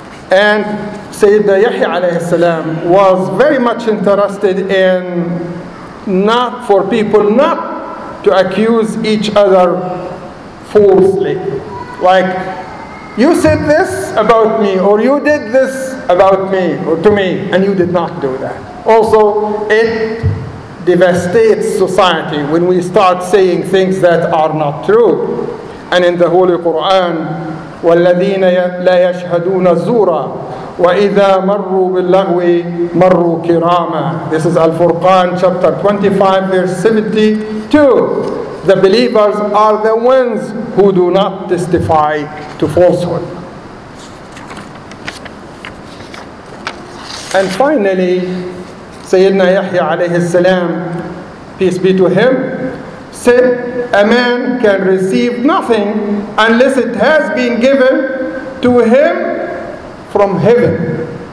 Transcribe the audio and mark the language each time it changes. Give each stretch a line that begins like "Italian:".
English: And Sayyidina Yahya alayhi salam was very much interested in not for people not to accuse each other falsely. Like, you said this about me, or you did this about me, or to me, and you did not do that. Also, it devastates society when we start saying things that are not true. And in the Holy Quran,
Arabic: وَالَّذِينَ لَا يَشْهَدُونَ الزُّورَ وَإِذَا مَرُّوا بِاللَّغْوِ مَرُّوا كِرَامًا.
English: This is Al-Furqan, chapter 25, verse 72. The believers are the ones who do not testify to falsehood. And finally, Sayyidina Yahya alayhi salam, peace be to him, said a man can receive nothing unless it has been given to him from heaven.